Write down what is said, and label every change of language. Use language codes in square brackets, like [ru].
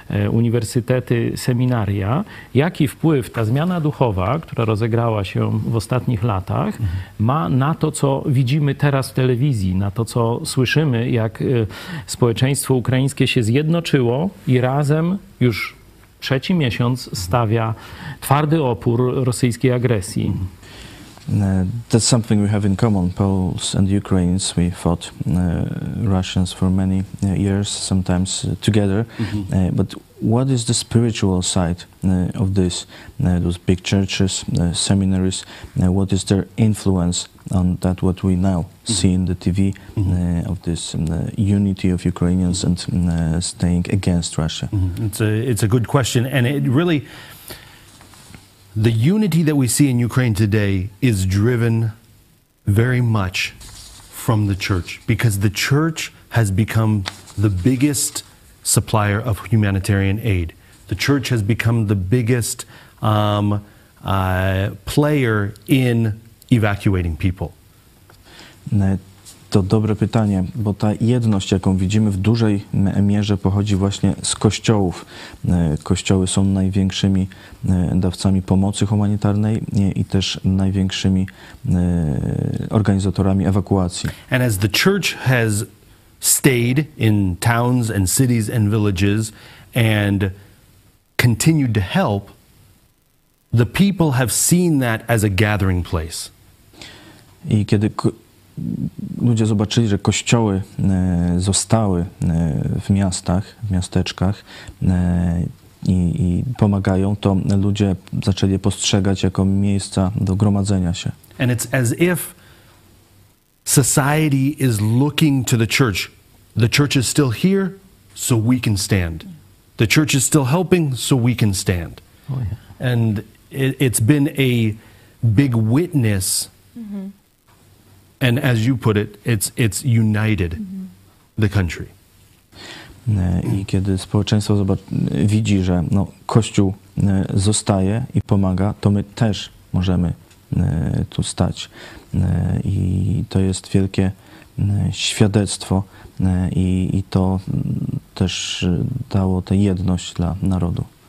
[pl] uniwersytety, seminaria, jaki wpływ ta zmiana duchowa, która rozegrała się w ostatnich latach, ma na to, co widzimy teraz w telewizji, na to, co słyszymy, jak społeczeństwo ukraińskie się zjednoczyło i razem już trzeci miesiąc stawia twardy opór rosyjskiej agresji. [en] That's something we have in common, Poles and Ukrainians. We fought Russians for many years, sometimes together. Mm-hmm. But what is the spiritual side of this? Those big churches, seminaries, what is their influence on that, what we now mm-hmm. see in the TV, of this unity of Ukrainians mm-hmm. and staying against Russia? Mm-hmm. It's a good question, and it really... The unity that we see in Ukraine today is driven very much from the church, because the church has become the biggest supplier of humanitarian aid. The church has become the biggest player in evacuating people. [pl] To dobre pytanie, bo ta jedność, jaką widzimy, w dużej mierze pochodzi właśnie z kościołów. Kościoły są największymi dawcami pomocy humanitarnej i też największymi organizatorami ewakuacji. [en] And as the church has stayed in towns and cities and villages and continued to help, the people have seen that as a gathering place. [pl] I kiedy ludzie zobaczyli, że kościoły zostały w miastach, w miasteczkach i pomagają, to ludzie zaczęli je postrzegać jako miejsca do gromadzenia się. [en] And it's as if society is looking to the church. The church is still here, so we can stand. The church is still helping, so we can stand. Oh, yeah. And it's been a big witness. Mm-hmm. And as you put it, it's united the country. [pl] I kiedy społeczeństwo widzi, że no, Kościół zostaje i pomaga, to my też możemy tu stać. I to jest wielkie świadectwo i to też dało tę jedność dla narodu.